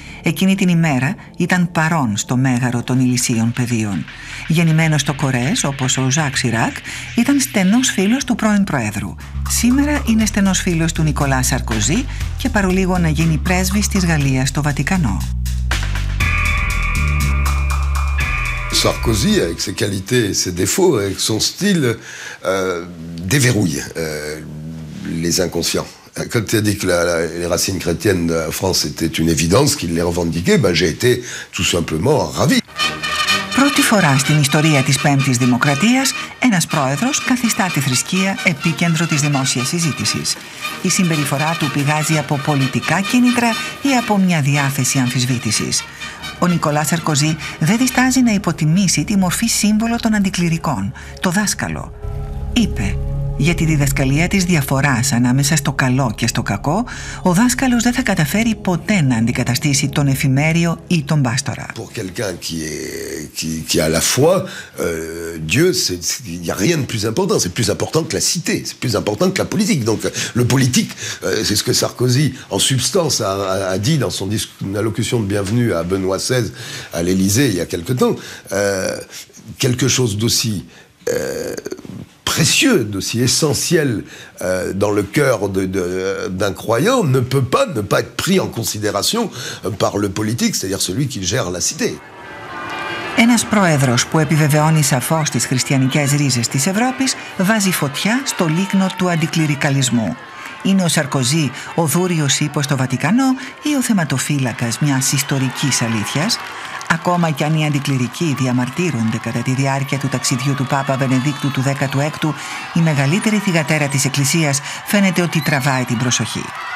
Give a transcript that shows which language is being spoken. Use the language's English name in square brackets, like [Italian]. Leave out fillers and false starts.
[Greek] Εκείνη την ημέρα ήταν παρόν στο Μέγαρο των Ηλυσίων Πεδίων. Γεννημένος στο Κορέζ, όπως ο Ζακ Σιράκ, ήταν στενός φίλος του πρώην Προέδρου. Σήμερα είναι στενός φίλος του Νικολά Σαρκοζή και παρολίγο να γίνει πρέσβης της Γαλλίας στο Βατικανό. [French] Sarkozy, avec ses qualités et ses défauts, avec son style, déverrouille les inconscients. Quand tu as dit que les racines chrétiennes de la France étaient une évidence, qu'il les revendiquait, ben, j'ai été tout simplement ravi. [Greek] Πρώτη φορά στην ιστορία της Πέμπτης Δημοκρατίας, ένας πρόεδρος καθιστά τη θρησκεία επίκεντρο της δημόσιας συζήτησης. Η συμπεριφορά του πηγάζει από πολιτικά κίνητρα ή από μια διάθεση αμφισβήτησης. Ο Νικολά Σαρκοζή δεν διστάζει να υποτιμήσει τη μορφή σύμβολο των αντικληρικών, το δάσκαλο. Είπε: «Για τη διδασκαλία της διαφοράς ανάμεσα στο καλό και στο κακό, ο δάσκαλος δεν θα καταφέρει ποτέ να αντικαταστήσει τον εφημέριο ή τον πάστορα». [French] Pour quelqu'un qui a la foi, Dieu, il n'y a rien de plus important. C'est plus important que la cité, c'est plus important que la politique. Donc, le politique, c'est ce que Sarkozy, en substance, a dit dans son allocution de bienvenue à Benoît XVI à l'Élysée il y a quelque temps. Quelque chose d'aussi précieux, d'aussi essentiel dans le cœur d'un croyant ne peut pas ne pas être pris en considération par le politique, c'est-à-dire celui qui gère la cité. [Greek] Ένας πρόεδρος που επιβεβαιώνει σαφώς τις χριστιανικές ρίζες της Ευρώπης βάζει φωτιά στο λίκνο του αντικληρικαλισμού. Είναι ο Σαρκοζή ο δούριος ύπος στο Βατικανό ή ο θεματοφύλακας μιας ιστορικής αλήθειας? Ακόμα κι αν οι αντικληρικοί διαμαρτύρονται κατά τη διάρκεια του ταξιδιού του Πάπα Βενεδίκτου του 16ου, η μεγαλύτερη θυγατέρα της Εκκλησίας φαίνεται ότι τραβάει την προσοχή.